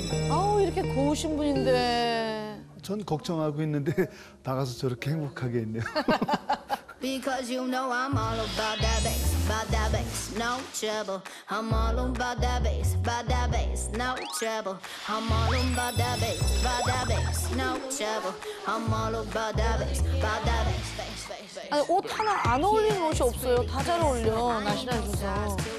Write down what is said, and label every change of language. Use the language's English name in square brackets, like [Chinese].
[Korean] 아우 이렇게 고우신 분인데 전 걱정하고 있는데 나가서 저렇게 행복하게 했네요. [English] Because you know I'm all about that bass, about that bass, no trouble. I'm all about that bass, about that bass, no trouble. I'm all about that bass, about that bass, no trouble. I'm all about that bass, about that bass. [Korean] 아니 옷 하나 안 어울리는 옷이 없어요. 다 잘 어울려. 나 신어주세요.